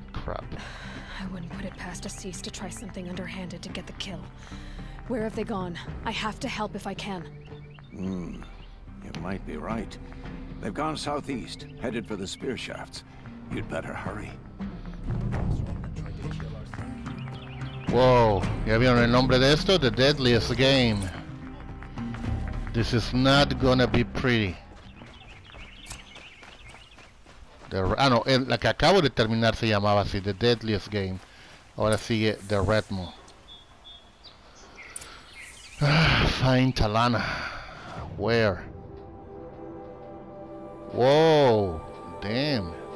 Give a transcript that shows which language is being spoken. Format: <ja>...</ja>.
<en>Crap. I wouldn't put it past Aziz to try something underhanded to get the kill. Where have they gone? I have to help if I can. You might be right. They've gone southeast, headed for the spear shafts. You'd better hurry.</en> <es>Whoa, ¿ya vieron el nombre de esto?</es> <en>The Deadliest Game. This is not gonna be pretty.</en> <es>La que acabo de terminar se llamaba así, The Deadliest Game. Ahora sigue The Red Maw.</es> <en>Find Talana. Where? Whoa, damn.</en>